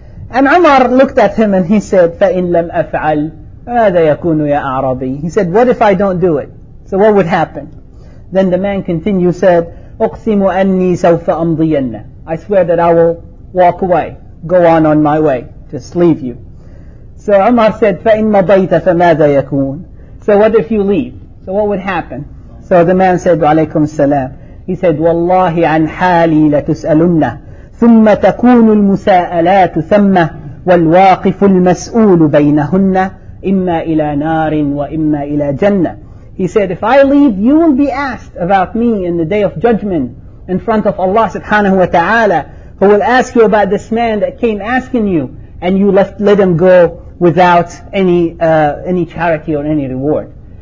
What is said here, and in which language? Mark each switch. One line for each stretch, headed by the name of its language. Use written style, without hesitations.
English: And Umar looked at him and he said,
Arabic: فَإِن لَمْ أَفْعَلْ فَمَاذَا يَكُونُ يَا أَعْرَبِي.
English: He said, what if I don't do it? So what would happen? Then the man continued, said,
Arabic: أُقْسِمُ أَنِّي سَوْفَ أَمْضِيَنَّ.
English: I swear that I will walk away, go on my way. just leave you. So Umar said,
Arabic: فَإِن مَضَيْتَ فَمَاذَا يَكُونَ.
English: So what if you leave? So what would happen? So the man said,
Arabic: وَعَلَيْكُمْ السَّلَامُ. He said, وَاللَّهِ عَنْ حَالِي لَتُسْأَلُنَّ ثُمَّ تَكُونُ الْمُسَاءَلَاتُ ثَمَّ وَالْوَاقِفُ الْمَسْئُولُ بَيْنَهُنَّ إِمَّا إِلَى نَارٍ وَإِمَّا إِلَى جَنَّةٍ.
English: He said, if I leave, you will be asked about me in the day of judgment in front of Allah subhanahu wa ta'ala, who will ask you about this man that came asking you, and you let him go without any charity or any reward.